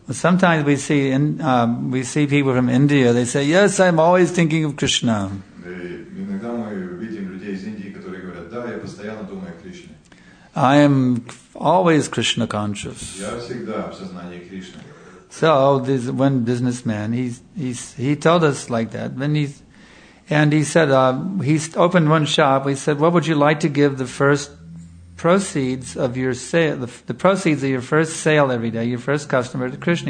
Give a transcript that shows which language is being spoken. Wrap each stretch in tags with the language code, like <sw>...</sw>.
<en>Well, sometimes we see we see people from India, they say, yes, I'm always thinking of Krishna.</en> <ru>Иногда мы видим людей из Индии, которые говорят, да, я постоянно думаю о Кришне.</ru> <en>I am always Krishna conscious.</en> <ru>Я всегда в сознании Кришны.</ru> <en>So this one businessman, he told us like that. He opened one shop. We said, "What would you like to give the first proceeds of your sale, the proceeds of your first sale every day, your first customer to Krishna?"</en>